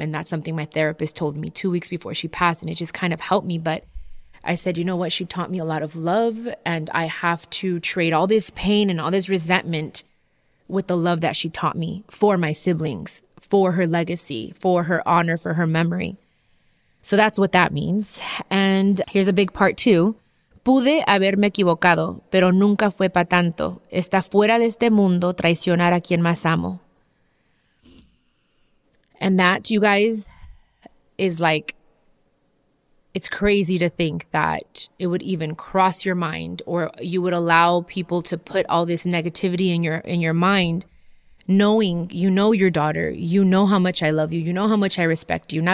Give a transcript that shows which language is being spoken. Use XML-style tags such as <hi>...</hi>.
<en>And that's something my therapist told me 2 weeks before she passed. And it just kind of helped me. But I said, you know what? She taught me a lot of love, and I have to trade all this pain and all this resentment with the love that she taught me for my siblings, for her legacy, for her honor, for her memory. So that's what that means. And here's a big part two.</en> <es>Pude haberme equivocado, pero nunca fue para tanto. Está fuera de este mundo traicionar a quien más amo.</es> <en>And that, you guys, is like, it's crazy to think that it would even cross your mind, or you would allow people to put all this negativity in your mind, knowing you know your daughter, you know how much I love you, you know how much I respect you.</en>